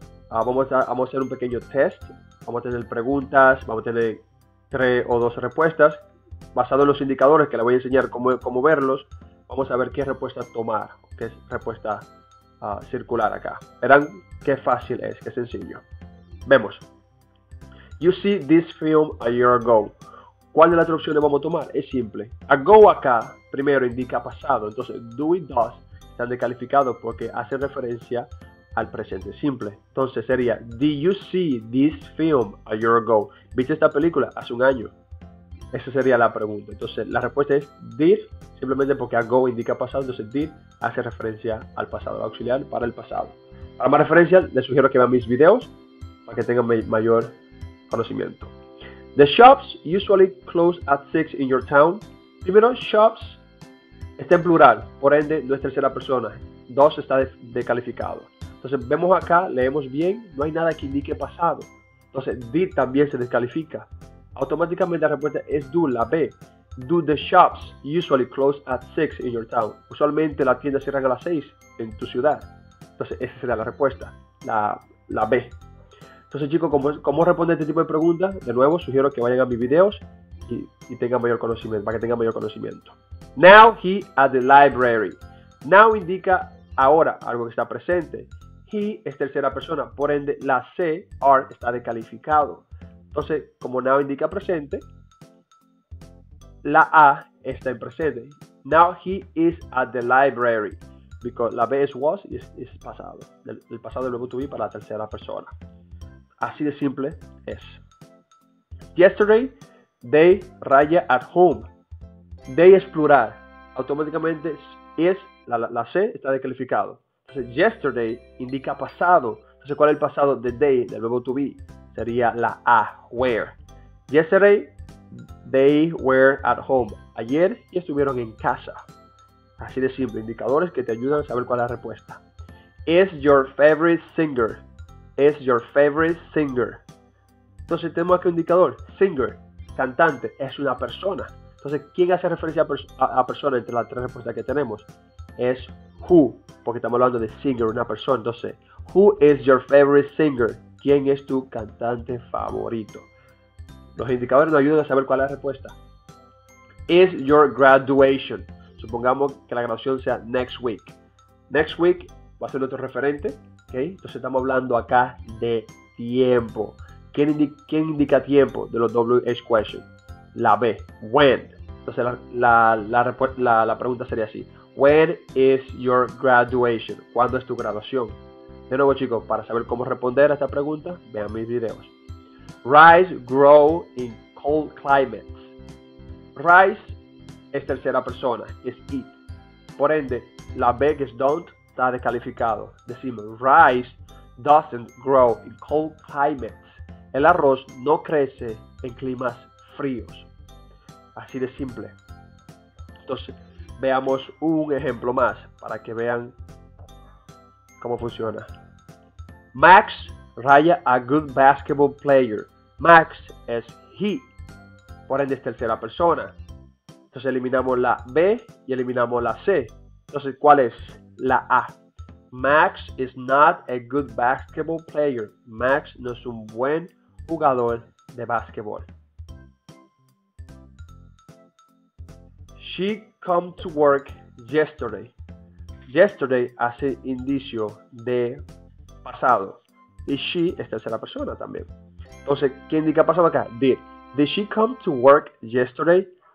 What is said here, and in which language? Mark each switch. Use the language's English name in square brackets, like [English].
[Spanish] Vamos a hacer un pequeño test. Vamos a tener preguntas, vamos a tener 3 o 2 respuestas. Basado en los indicadores que les voy a enseñar cómo verlos, vamos a ver qué respuesta tomar, qué respuesta circular acá. Verán qué fácil es, qué sencillo. Vemos. [English] You see this film a year ago. [Spanish] ¿Cuál de las opciones vamos a tomar? Es simple. Ago acá, primero, indica pasado. Entonces, do y does están descalificados porque hacen referencia al presente. Simple. Entonces, sería, [English] did you see this film a year ago? [Spanish] ¿Viste esta película hace un año? Esa sería la pregunta. Entonces, la respuesta es did, simplemente porque ago indica pasado. Entonces, did hace referencia al pasado, el auxiliar para el pasado. Para más referencia, les sugiero que vean mis videos para que tengan mayor conocimiento. [English] The shops usually close at 6 in your town. [Spanish] Primero, shops está en plural, por ende no es tercera persona. Dos está descalificado. Entonces vemos acá, leemos bien, no hay nada que indique pasado. Entonces did también se descalifica. Automáticamente la respuesta es do, la B. [English] Do the shops usually close at 6 in your town? [Spanish] Usualmente la tienda cierra a las 6 en tu ciudad. Entonces esa será la respuesta, la B. Entonces chicos, ¿cómo responder este tipo de preguntas? De nuevo, sugiero que vayan a mis videos y tengan mayor conocimiento, para que tengan mayor conocimiento. [English] Now he at the library. [Spanish] Now indica ahora, algo que está presente. He es tercera persona, por ende la C, are, está descalificado. Entonces, como now indica presente, la A está en presente. [English] Now he is at the library. Because [Spanish] la B es was y es pasado. El pasado del verbo to be para la tercera persona. Así de simple es. [English] Yesterday, they raya at home. [Spanish] They es plural. Automáticamente es la C está descalificado. Entonces, yesterday indica pasado. Entonces, ¿cuál es el pasado de they, del verbo to be? Sería la A, where. [English] Yesterday, they were at home. [Spanish] Ayer y estuvieron en casa. Así de simple. Indicadores que te ayudan a saber cuál es la respuesta. [English] Is your favorite singer? Is your favorite singer? [Spanish] Entonces tenemos aquí un indicador. Singer, cantante, es una persona. Entonces, ¿quién hace referencia a persona entre las tres respuestas que tenemos? Es who, porque estamos hablando de singer, una persona. Entonces, [English] who is your favorite singer? [Spanish] ¿Quién es tu cantante favorito? Los indicadores nos ayudan a saber cuál es la respuesta. [English] Is your graduation? [Spanish] Supongamos que la graduación sea next week. Next week va a ser nuestro referente. Okay, entonces estamos hablando acá de tiempo. ¿Quién indica tiempo de los WH questions? La B, when. Entonces la pregunta sería así. [English] When is your graduation? [Spanish] ¿Cuándo es tu graduación? De nuevo chicos, para saber cómo responder a esta pregunta, vean mis videos. [English] Rice grow in cold climates. Rice [Spanish] es tercera persona, es [English] eat. [Spanish] Por ende, la B es don't. Está descalificado. Decimos, [English] rice doesn't grow in cold climates. [Spanish] El arroz no crece en climas fríos. Así de simple. Entonces, veamos un ejemplo más para que vean cómo funciona. [English] Max raya a good basketball player. [Spanish] Max es he. Por ende, es tercera persona. Entonces, eliminamos la B y eliminamos la C. Entonces, ¿cuál es? La A. [English] Max is not a good basketball player. [Spanish] Max no es un buen jugador de basketball. [English] She come to work yesterday. [Spanish] Yesterday hace indicio de pasado. Y she es tercera persona también. Entonces, ¿qué indica pasado acá? [English] Did she come to work yesterday?